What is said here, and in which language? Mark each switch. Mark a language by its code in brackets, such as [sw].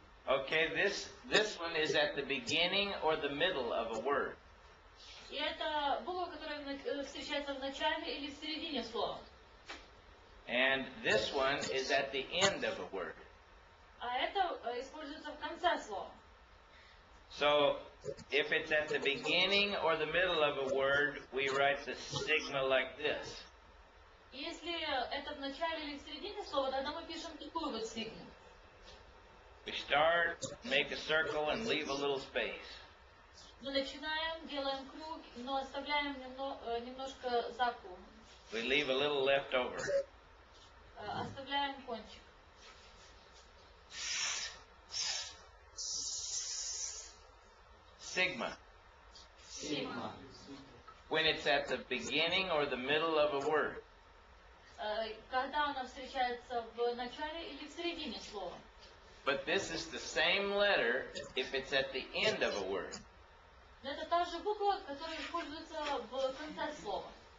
[en] Okay, this one is at the beginning or the middle of a word. [ru] И это буква, которая встречается в начале или в середине слова. [en] And this one is at the end of a word. [ru] А это используется в конце слова. [en] So, if it's at the beginning or the middle of a word, we write the sigma like this. [ru] Если это в начале или в середине слова, тогда мы пишем такую вот сигму. [en] We start, make a circle, and leave a little space. [ru] Мы начинаем, делаем круг, но оставляем немножко заку. [en] We leave a little left over. [ru] Оставляем кончик. [en] Sigma. Sigma. When it's at the beginning or the middle of a word. [ru] Когда она встречается в начале или в середине слова. [en] But this is the same letter if it's at the end of a word. [ru] Это та же буква, которая используется в конце слова.